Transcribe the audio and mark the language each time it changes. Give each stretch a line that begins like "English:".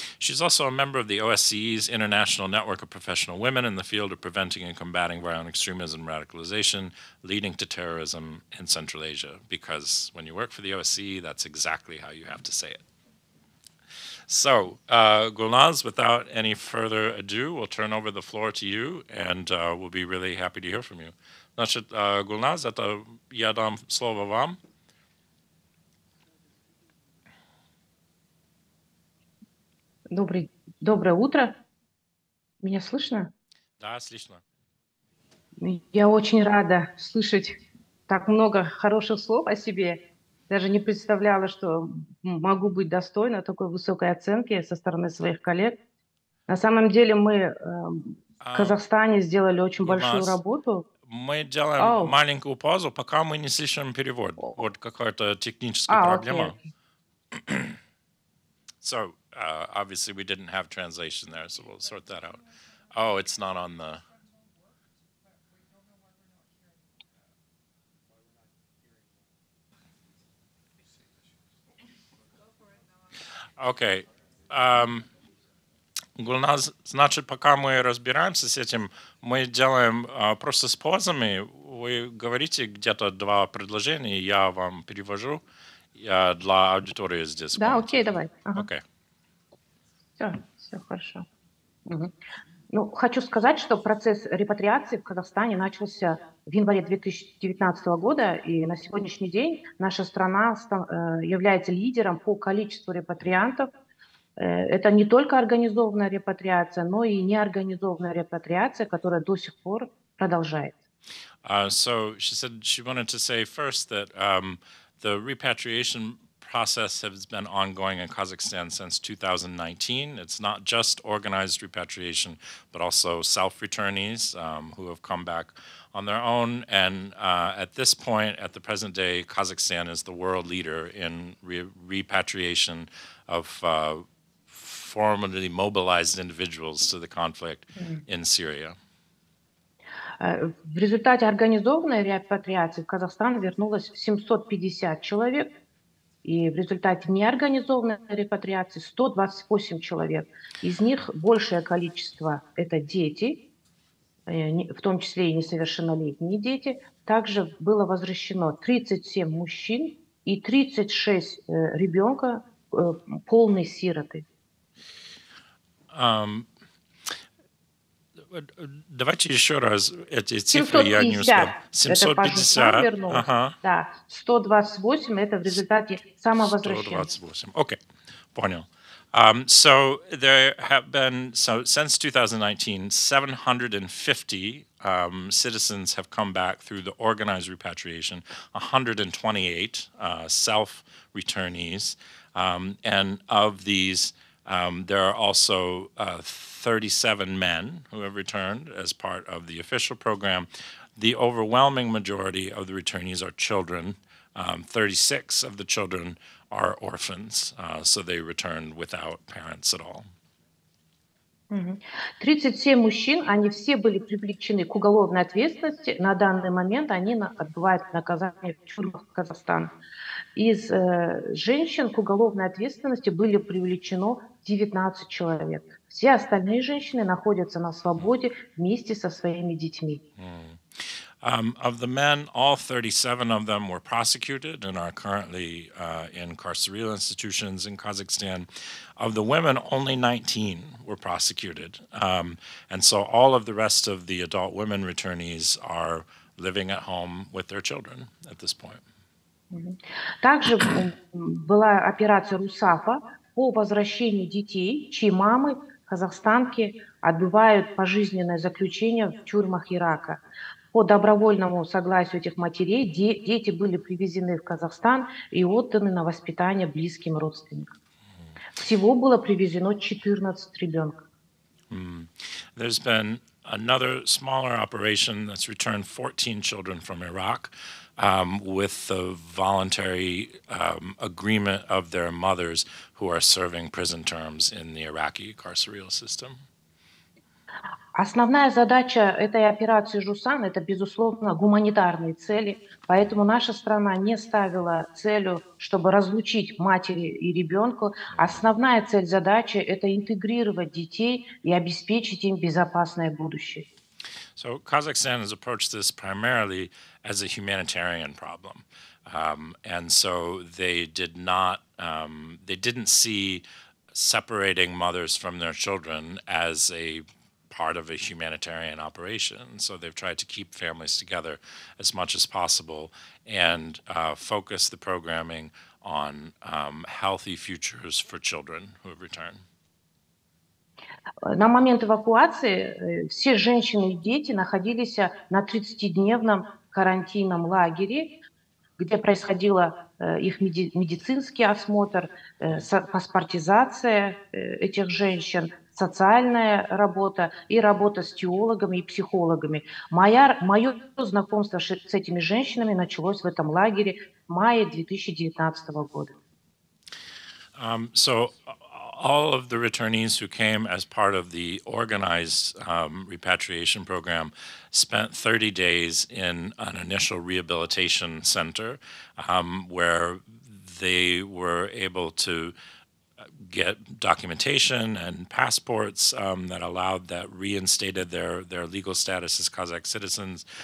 English: She's also a member of the OSCE's International Network of Professional Women in the field of preventing and combating violent extremism and radicalization leading to terrorism in Central Asia, because when you work for the OSCE, that's exactly how you have to say it. So, Gulnaz, without any further ado, we'll turn over the floor to you, and we'll be really happy to hear from you.
Russian: Значит, Гулназ, это я дам слово вам. Доброе утро. Меня слышно? Да, слышно. Я очень рада слышать так много хороших слов о себе. Даже не представляла, что могу быть достойна такой высокой оценки со стороны своих коллег. На самом деле мы в Казахстане сделали очень большую работу. Мы делаем маленькую паузу, пока мы не слышим перевод. Вот какая-то техническая проблема.
English: So, obviously, we didn't have translation there, so we'll sort that out. Oh, it's not on the... Okay.
Russian: Гулназ, значит, пока мы разбираемся с этим, мы делаем просто с паузами. Вы говорите где-то два предложения, я вам перевожу для аудитории здесь. Да, окей, давай. Ага. Окей. Все хорошо. Угу. Ну, хочу сказать, что процесс репатриации в Казахстане начался в январе 2019 года, и на сегодняшний день наша страна является лидером по количеству репатриантов. Это не только организованная репатриация, но и неорганизованная репатриация, которая до сих пор продолжается.
English: So she said she wanted to say first that the repatriation process has been ongoing in Kazakhstan since 2019. It's not just organized repatriation, but also self-returnees who have come back on their own. And at this point, at the present day, Kazakhstan is the world leader in repatriation of formerly mobilized individuals to the conflict in Syria.
Russian: В результате организованной репатриации в Казахстан вернулось 750 человек, и в результате неорганизованной репатриации 128 человек. Из них большее количество – это дети, в том числе и несовершеннолетние дети. Также было возвращено 37 мужчин и 36 ребенка полной сироты. Давайте еще раз эти цифры, я не успел. 750, ага. Да, 128 – это в результате самовозвращения. 128, окей, понял.
English: So there have been, so since 2019, 750 citizens have come back through the organized repatriation, 128 self-returnees, and of these, there are also 37 men who have returned as part of the official program. The overwhelming majority of the returnees are children. 36 of the children are orphans, so they returned without parents at all.
Russian: 37 мужчин, они все были привлечены к уголовной ответственности. На данный момент они отбывают наказание в тюрьмах Казахстана. Из женщин к уголовной ответственности были привлечено 19 человек. Все остальные женщины находятся на свободе вместе со своими детьми.
English: Of the men, all 37 of them were prosecuted and are currently in carceral institutions in Kazakhstan. Of the women, only 19 were prosecuted. And so all of the rest of the adult women returnees are living at home with their children at this point.
Russian: Также была операция «Русафа» по возвращению детей, чьи мамы, казахстанки, отбывают пожизненное заключение в тюрьмах Ирака. По добровольному согласию этих матерей дети были привезены в Казахстан и отданы на воспитание близким родственникам. Всего было привезено 14 ребенка.
English: There's been another smaller operation that's returned 14 children from Iraq with the voluntary agreement of their mothers who are serving prison terms in the Iraqi carceral system.
Russian: Основная задача этой операции «Жусан» — это, безусловно, гуманитарные цели. Поэтому наша страна не ставила целью, чтобы разлучить матери и ребенка. Основная цель задачи — это интегрировать детей и обеспечить им безопасное будущее.
English: So Kazakhstan has approached this primarily as a humanitarian problem. And so they did not, they didn't see separating mothers from their children as a part of a humanitarian operation. So they've tried to keep families together as much as possible and focus the programming on healthy futures for children who have returned.
Russian: На момент эвакуации все женщины и дети находились на 30-дневном карантинном лагере, где происходил их медицинский осмотр, паспортизация этих женщин, социальная работа и работа с теологами и психологами. Мое знакомство с этими женщинами началось в этом лагере в мае 2019 года.
English: All of the returnees who came as part of the organized repatriation program spent 30 days in an initial rehabilitation center where they were able to get documentation and passports that allowed that reinstated their legal status as Kazakh citizens.